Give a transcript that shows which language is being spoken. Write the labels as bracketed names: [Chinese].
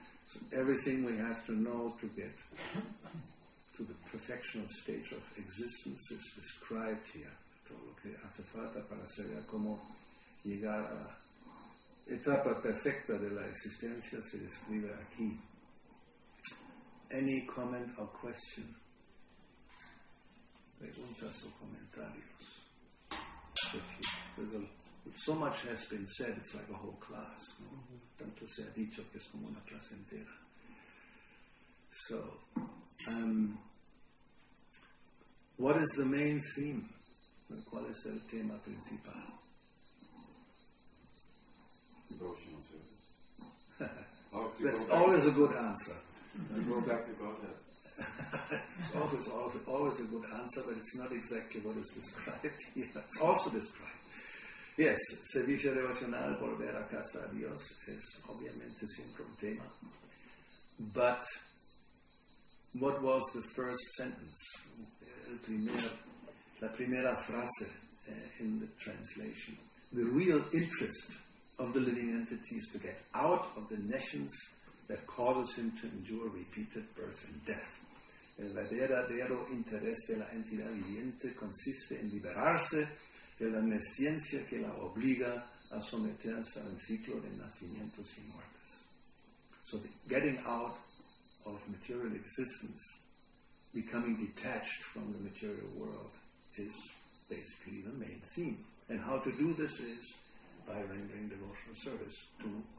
[English] So everything we have to know to get to the perfectional stage of existence is described here. [Spanish] Todo lo que hace falta para saber cómo llegar a la etapa perfecta de la existencia se describe aquí. [English] Any comment or question? [Spanish] Preguntas o comentarios? [English] So much has been said, it's like a whole class, no? [Spanish] Tanto se ha dicho que es como una clase entera. [English] So, what is the main theme? [Spanish] ¿Cuál es el tema principal? [English] Devotional service. That's always a good answer. Go back to Godhead. It's always a good answer, but it's not exactly what is described here. It's also described. Yes, [Spanish] servicio devocional, volver a casa a Dios, es obviamente siempre un tema. [English] But what was the first sentence? [Spanish] La primera frase [English] in the translation. The real interest of the living entity is to get out of the nations that causes him to endure repeated birth and death. [Spanish] El verdadero interés de la entidad viviente consiste en liberarse de la neciencia que la obliga a someterse al ciclo de nacimientos y muertes. [English] So the getting out of material existence, becoming detached from the material world, is basically the main theme. And how to do this is by rendering devotional service to